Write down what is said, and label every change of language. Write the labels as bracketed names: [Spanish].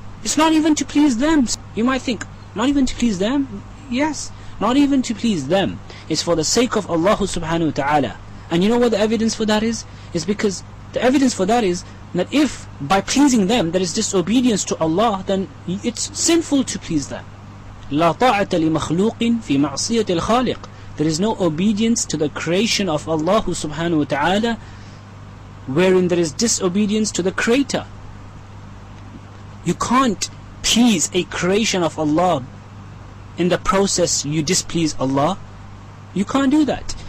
[English] It's not even to please them. You might think, not even to please them? Yes, not even to please them. It's for the sake of Allah subhanahu wa ta'ala. And you know what the evidence for that is? It's because the evidence for that is that if by pleasing them there is disobedience to Allah, then it's sinful to please them. [Arabic] لا طاعة لمخلوق في معصية الخالق. [English] There is no obedience to the creation of Allah subhanahu wa ta'ala wherein there is disobedience to the creator. You can't please a creation of Allah in the process you displease Allah. You can't do that.